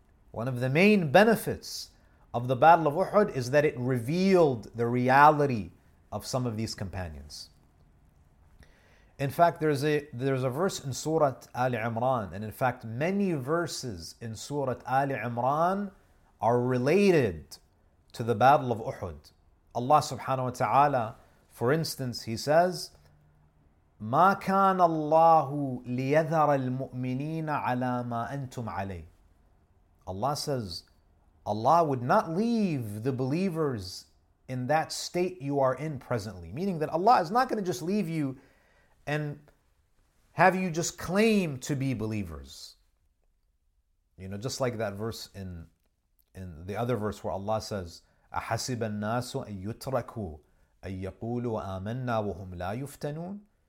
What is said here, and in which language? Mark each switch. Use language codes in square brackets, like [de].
[en] One of the main benefits of the Battle of Uhud is that it revealed the reality of some of these companions. In fact, there's a verse in Surah Ali Imran, and in fact, many verses in Surah Ali Imran are related to the Battle of Uhud. Allah subhanahu wa ta'ala, for instance, he says, [ar] مَا كَانَ اللَّهُ لِيَذَرَ الْمُؤْمِنِينَ عَلَى مَا أَنْتُمْ عَلَيْهِ. [en] Allah says, Allah would not leave the believers in that state you are in presently. Meaning that Allah is not going to just leave you and have you just claim to be believers. You know, just like that verse in the other verse where Allah says, [ar] أَحَسِبَ النَّاسُ أَن يُتْرَكُوا أَن يَقُولُوا آمَنَّا وَهُمْ لَا يُفْتَنُونَ.